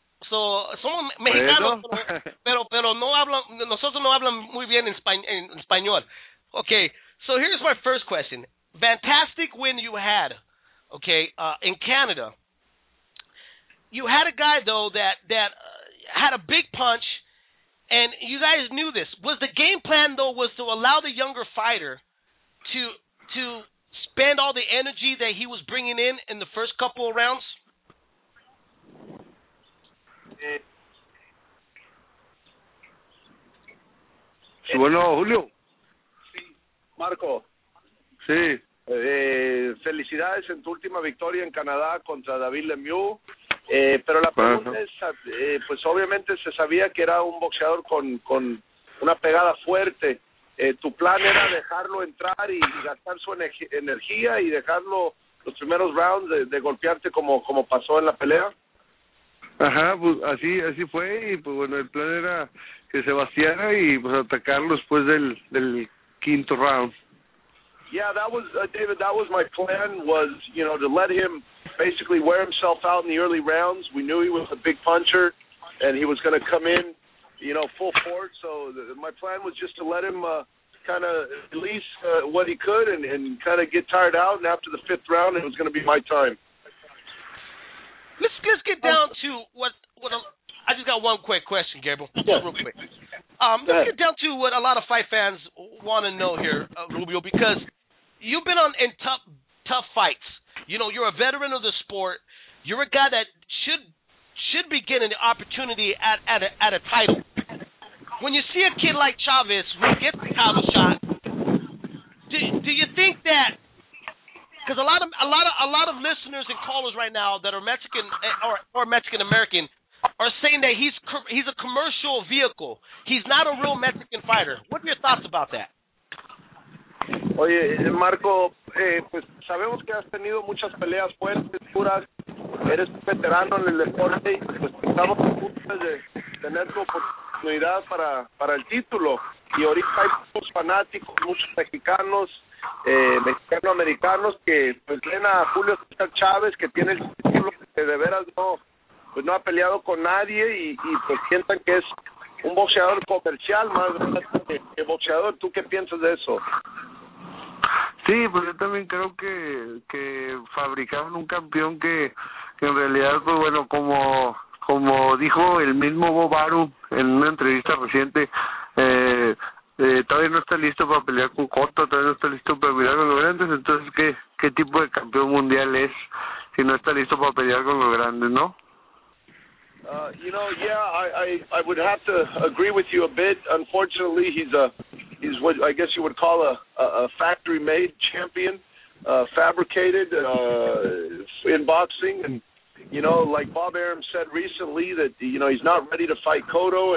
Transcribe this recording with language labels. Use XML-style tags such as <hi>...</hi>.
<es>So somos mexicanos, pero no hablan, nosotros no hablan muy bien en español.</es> <en>Okay, so here's my first question. Fantastic win you had. Okay, in Canada, you had a guy, though, that had a big punch, and you guys knew this. Was the game plan, though, was to allow the younger fighter to spend all the energy that he was bringing in the first couple of rounds?</en> <es>Sí, bueno, Julio. Sí, Marco. Sí. Felicidades en tu última victoria en Canadá contra David Lemieux, pero la pregunta es, pues obviamente se sabía que era un boxeador con una pegada fuerte. ¿Tu plan era dejarlo entrar y gastar su energía y dejarlo los primeros rounds de golpearte como pasó en la pelea? Ajá, pues así fue, y pues bueno, el plan era que se vaciara y pues atacarlo después del quinto round.</es> <en>Yeah, that was, David, that was my plan, was, you know, to let him basically wear himself out in the early rounds. We knew he was a big puncher, and he was going to come in, you know, full force. So my plan was just to let him kind of release what he could and kind of get tired out. And after the fifth round, it was going to be my time. Let's get down to what I just got one quick question, Gabriel. Yeah. Real quick. Let's get down to what a lot of fight fans want to know here, Rubio, because you've been on in tough fights. You know, you're a veteran of the sport. You're a guy that should be getting an opportunity at a title. When you see a kid like Chavez who gets the title shot, do you think that? Because a lot of listeners and callers right now that are Mexican or Mexican American are saying that he's a commercial vehicle. He's not a real Mexican fighter. What are your thoughts about that?</en> <es>Oye, Marco, pues sabemos que has tenido muchas peleas fuertes, duras. Eres un veterano en el deporte y pues estamos a punto de tener tu oportunidad para el título. Y ahorita hay muchos fanáticos, muchos mexicanos, mexicano-americanos que pues ven a Julio César Chávez, que tiene el título, que de veras no, pues, no ha peleado con nadie y pues sientan que es un boxeador comercial más que boxeador. ¿Tú qué piensas de eso? Sí, pues yo también creo que fabricaron un campeón que en realidad, pues bueno, como dijo el mismo Bob Arum en una entrevista reciente, todavía no está listo para pelear con Cotto, todavía no está listo para pelear con los grandes. Entonces, ¿qué tipo de campeón mundial es si no está listo para pelear con los grandes, no?</es> <en>You know, yeah, I would have to agree with you a bit. Unfortunately, he's what I guess you would call a factory-made champion, fabricated in boxing. And, you know, like Bob Arum said recently that, you know, he's not ready to fight Cotto.</en>